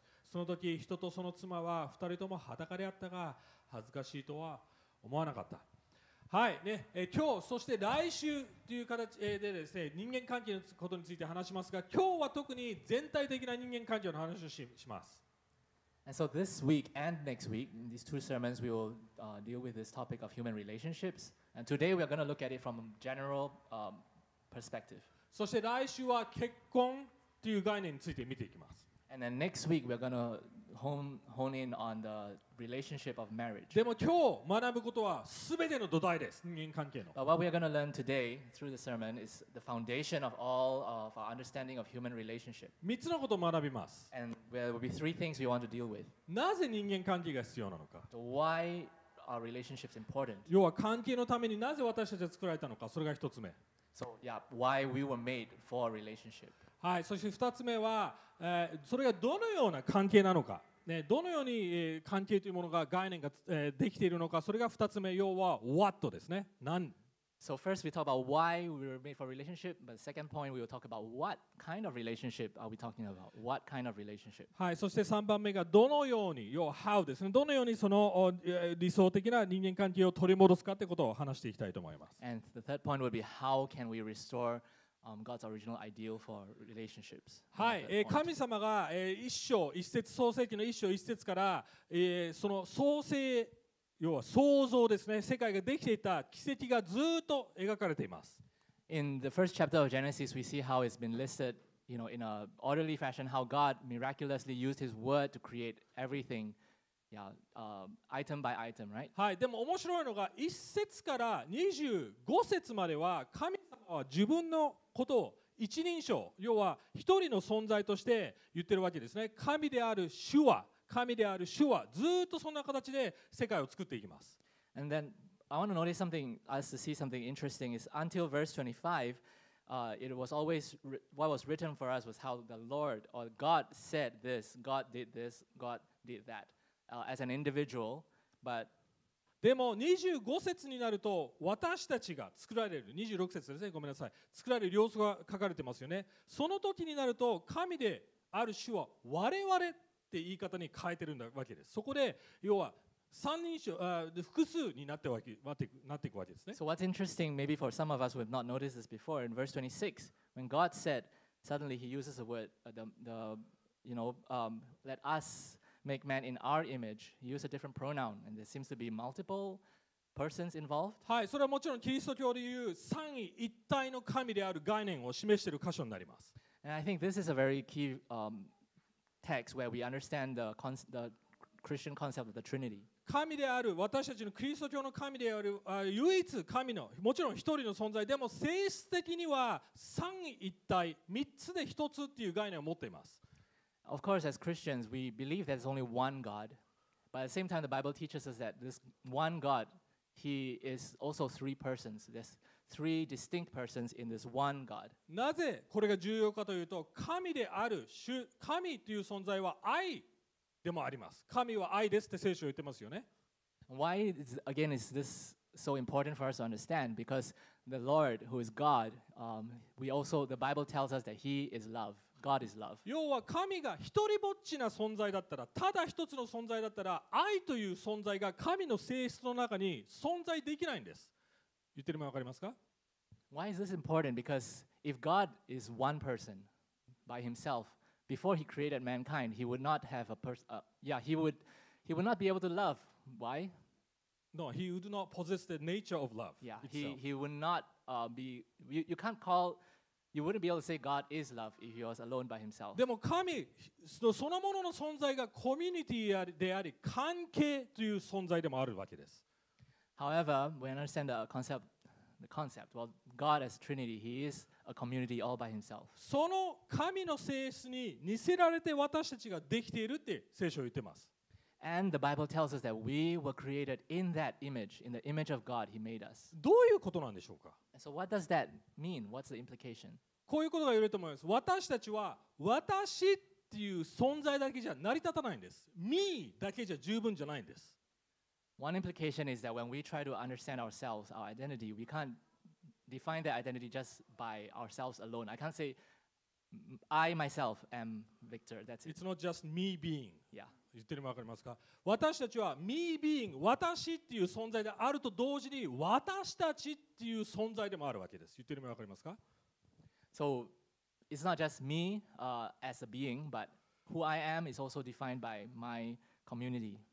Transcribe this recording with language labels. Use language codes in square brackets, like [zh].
[ja] その時人とその妻は二人とも裸であったが、恥ずかしいとは思わなかった。はいね、今日そして来週という形でですね、人間関係のことについて話しますが、今日は特に全体的な人間関係の話をします。 [en] And so this week and next week, in these two sermons, we will deal with this topic of human relationships. And today we are going to look at it from a general perspective. [ja] そして来週は結婚という概念について見ていきます。 [en] And then next week we're going to hone in on the relationship of marriage. [ja] でも今日学ぶことは全ての土台です。人間関係の。 [en] But what we are going to learn today through the sermon is the foundation of all of our understanding of human relationship. [ja] 3つのことを学びます。 [en] And there will be three things we want to deal with. [ja] なぜ人間関係が必要なのか。 [en] Why our relationships important? [ja] 要は関係のためになぜ私たちは作られたのか、それが一つ目。 [en] So, yeah, why we were made for a relationship. [ja] はい、そして二つ目は、それがどのような関係なのか、ね、どのように、関係というものが概念が、できているのか、それが二つ目、要は what ですね。何 [en] So first we talk about why we were made for a relationship, but the second point we will talk about what kind of relationship are we talking about? What kind of relationship? [ja] はい、そして3番目がどのように、要は how ですね。どのようにその理想的な人間関係を取り戻すかってことを話していきたいと思います。 [en] And the third point would be how can we restore God's original ideal for relationships? [ja] はい、神様が一章一節創世記の一章一節から、その創世要は創造ですね。世界ができていた奇跡がずっと描かれています。 [en] In the first chapter of Genesis, we see how it's been listed, you know, in an orderly fashion, how God miraculously used His word to create everything, yeah, item by item, right? [ja] はい。でも面白いのが一節から二十五節までは神様は自分のことを一人称、要は一人の存在として言ってるわけですね。神である主は。神である主はずっとそんな形で世界を作っていきます。 [en] And then I want to notice something, as to see something interesting is until verse 25, it was always what was written for us was how the Lord or God said this, God did that, as an individual. But [ja] でも25節になると私たちが作られる26節ですね。ごめんなさい。作られる様子が書かれてますよね。その時になると神である主は我々って言い方に変えてるんだわけです。そこで要は三人称複数になってわけなっていくわけですね。 [en] So what's interesting, maybe for some of us who have not noticed this before, in verse 26, when God said, suddenly He uses the word let us make man in our image. He used a different pronoun, and there seems to be multiple persons involved. [ja] はい、それはもちろんキリスト教でいう三位一体の神である概念を示している箇所になります。 [en] And I think this is a very key text where we understand the Christian concept of the Trinity. [ja] 神である私たちのキリスト教の神である唯一神のもちろん一人の存在でも性質的には三位一体三つで一つっていう概念を持っています。 [en] Of course, as Christians, we believe there's only one God, but at the same time, the Bible teaches us that this one God, He is also three persons. There's three distinct persons in this one God. [ja] なぜこれが重要かというと、神である主、神という存在は愛でもあります。神は愛ですって聖書言ってますよね。 [en] Why is, again is this so important for us to understand? Because the Lord, who is God, we also the Bible tells us that He is love. God is love. [ja] 要は神が一人ぼっちな存在だったら、ただ一つの存在だったら、愛という存在が神の性質の中に存在できないんです。言ってるのが分かりますか? [en] Why is this important? Because if God is one person by himself, before he created mankind, he would not have a person. He would not be able to love. Why? No, he would not possess the nature of love. Yeah, he would not be. You can't call. You wouldn't be able to say God is love if he was alone by himself. [ja] でも神そのものの存在がコミュニティであり関係という存在でもあるわけです。 [en] However, we understand the concept. Well, God as Trinity, He is a community all by Himself. [ja] その神の性質に似せられて私たちができているって聖書言ってます。 [en] And the Bible tells us that we were created in that image, in the image of God He made us. [ja] どういうことなんでしょうか? [en] So what does that mean? What's the implication? [ja] こういうことが言えると思います。私たちは私っていう存在だけじゃ成り立たないんです。 Me だけじゃ十分じゃないんです。 [en] One implication is that when we try to understand ourselves, our identity, we can't define that identity just by ourselves alone. I can't say, I myself am Victor. That's it. It's not just me being. Yeah. [ja] 言ってるのわかりますか?私たちは [en] me being, [ja] 私っていう存在であると同時に私たちっていう存在でもあるわけです。言ってるのわかりますか? [en] So, it's not just me as a being, but who I am is also defined by my community.